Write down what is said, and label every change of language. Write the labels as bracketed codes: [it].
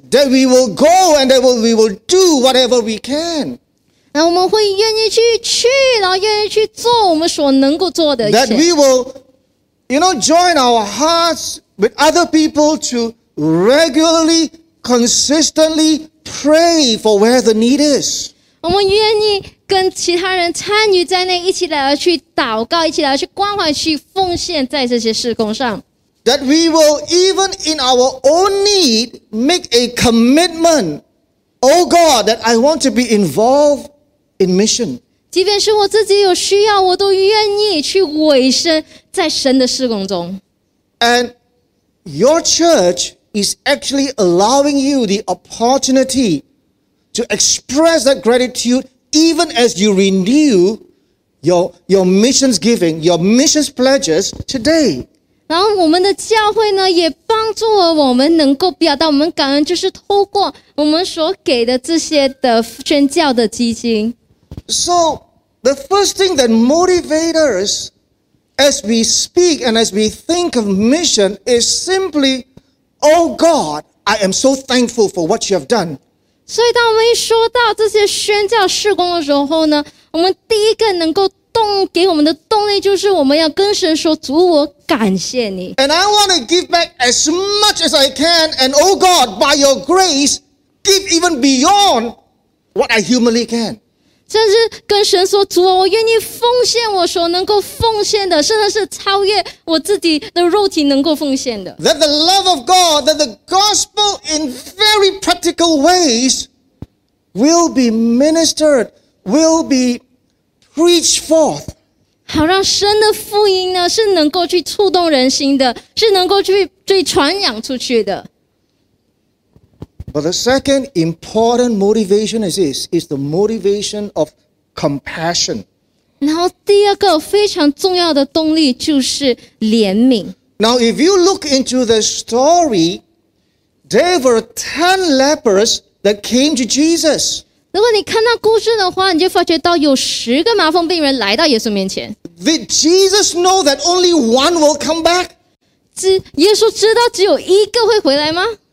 [en] That we will go and that we will do whatever we can. [zh] 那我们会愿意去，然后愿意去做我们所能够做的。 [en] That we will, you know, join our hearts with other people to regularly, consistently pray for where the need is. [zh] 我们愿意跟其他人参与在内，一起来去祷告，一起来去关怀，去奉献在这些事工上。 [en] That we will even in our own need make a commitment, Oh God, that I want to be involved in mission. [zh] 即便是我自己有需要，我都愿意去委身在神的事工中。 [en] And your church is actually allowing you the opportunity to express that gratitude even as you renew your missions giving, your missions pledges today. [zh] 然后我们的教会呢，也帮助了我们能够表达我们感恩，就是透过我们所给的这些的宣教的基金。 [en] So the first thing that motivates us as we speak and as we think of mission is simply, Oh God, I am so thankful for what you have done. [zh] 所以当我们一说到这些宣教事工的时候呢，我们第一个能够给我们的动力就是我们要跟神说主我感谢你。 [en] And I want to give back as much as I can and oh God, by your grace, give even beyond what I humanly can. [zh] 甚至跟神说主我愿意奉献我所能够奉献的甚至是超越我自己的肉体能够奉献的。 [en] That the love of God, that the gospel in very practical ways will be ministered, will beReach forth. [zh] 好让神的福音呢是能够去触动人心的是能够去传扬出去的。 [en] But the second important motivation is this, is the motivation of compassion. [zh] 然后第二个非常重要的动力就是怜悯。 [en] Now if you look into the story, there were 10 lepers that came to Jesus. [zh] 如果你看到故事的话，你就发觉到有十个麻风病人来到耶稣面前。 [en] Did Jesus know that only one will come back? [zh] 耶稣知道只有一个会回来吗